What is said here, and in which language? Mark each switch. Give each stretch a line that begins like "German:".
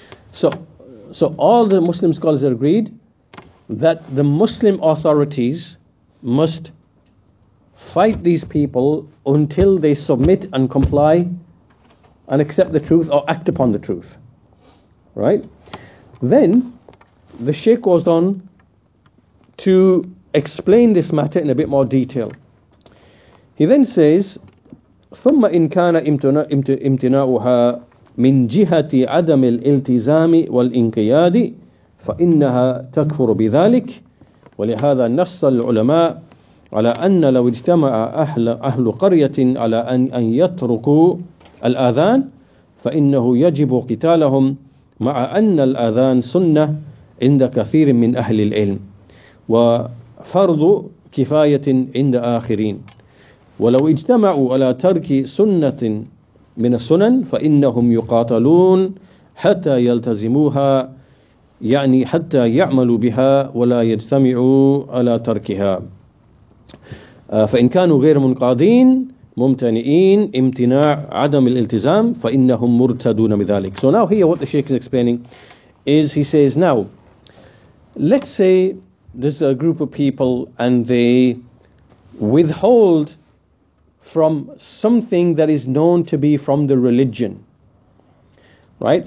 English: So all the Muslim scholars are agreed that the Muslim authorities must fight these people until they submit and comply and accept the truth or act upon the truth. Right? Then the Sheikh goes on to explain this matter in a bit more detail. He then says,
Arabic: ثم إن كان امتناؤها من جهة عدم الالتزام والانقياد فإنها تكفر بذلك ولهذا نص العلماء على أن لو اجتمع أهل قرية على أن يتركوا الأذان فإنه يجب قتالهم مع أن الأذان سنة عند كثير من أهل العلم وفرض كفاية عند آخرين ولو اجتمعوا على ترك سنة من السنن فإنهم يقاتلون حتى يلتزموها يعني حتى يعملوا بها ولا يجتمعوا على تركها فإن كانوا غير منقادين ممتنئين امتناع عدم الالتزام فإنهم مرتدون بذلك.
English: So now here what the Sheikh is explaining is, he says, now let's say there's a group of people and they withhold from something that is known to be from the religion, right?